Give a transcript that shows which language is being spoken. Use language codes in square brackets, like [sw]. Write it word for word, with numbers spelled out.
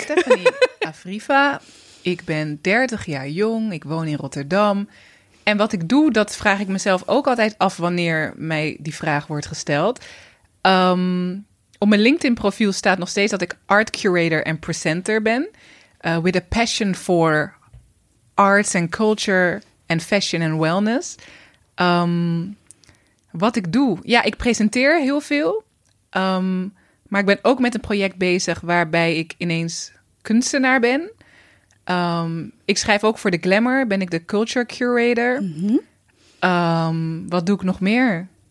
[nl] Ik ben Stefanie Afriva. Ik ben dertig jaar jong. Ik woon in Rotterdam. En wat ik doe, dat vraag ik mezelf ook altijd af wanneer mij die vraag wordt gesteld. Um, op mijn LinkedIn-profiel staat nog steeds dat ik art curator en presenter ben. [en] Uh, with a passion for arts and culture and fashion and wellness. [nl] Um, Wat ik doe? Ja, ik presenteer heel veel. Um, maar ik ben ook met een project bezig waarbij ik ineens kunstenaar ben. Um, ik schrijf ook voor de Glamour. Ben ik de culture curator. Mm-hmm. Um, wat doe ik nog meer?